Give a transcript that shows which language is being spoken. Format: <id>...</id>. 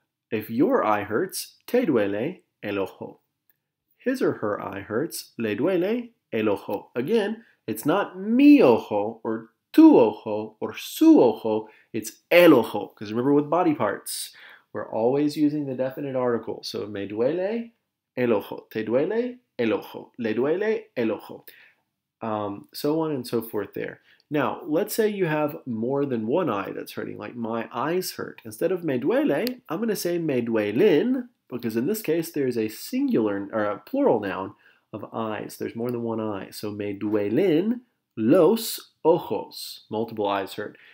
<en>If your eye hurts,</en> <es>te duele el ojo.</es> <en>His or her eye hurts,</en> <es>le duele el ojo.</es> <en>Again, it's not mi ojo or tu ojo or su ojo, it's el ojo. Because remember with body parts, we're always using the definite article.</en> <es>So me duele el ojo, te duele el ojo, le duele el ojo.</es> <en>So on and so forth there. Now, let's say you have more than one eye that's hurting, like my eyes hurt. Instead of</en> <es>me duele,</es> <en>I'm going to say</en> <es>me duelen,</es> <en>because in this case, there's a singular or a plural noun of eyes. There's more than one eye. So</en> <es>me duelen los ojos.</es> <en>Multiple eyes hurt.</en>